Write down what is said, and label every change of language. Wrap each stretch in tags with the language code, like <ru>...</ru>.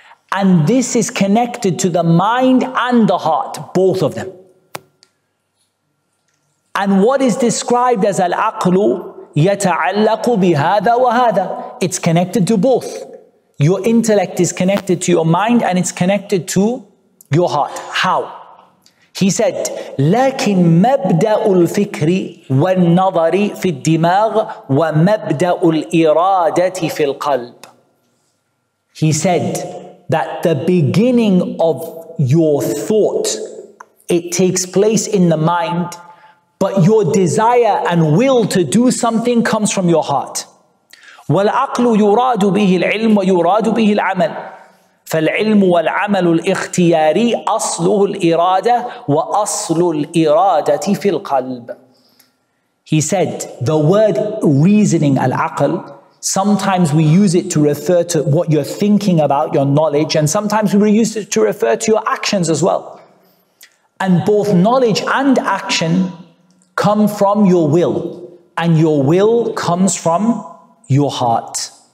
<en>And this is connected to the mind and the heart, both of them. And what is described as</en> <ar>al-aqlu yata'allaqu bihada wa hada.</ar> <en>It's connected to both. Your intellect is connected to your mind and it's connected to your heart. How? He said,</en> <ar>لكن مبدأ الفكر والنظر في الدماغ ومبدأ الإرادة في القلب.</ar> <en>He said that the beginning of your thought, it takes place in the mind, but your desire and will to do something comes from your heart.</en> <ar>والعقل يراد به العلم ويراد به العمل فالعلم والعمل الاختياري أصله الإرادة وأصل الإرادة في القلب.</ar> <en>He said, the word reasoning, al-aql, sometimes we use it to refer to what you're thinking about, your knowledge, and sometimes we use it to refer to your actions as well. And both knowledge and action come from your will, and your will comes from your heart.</en>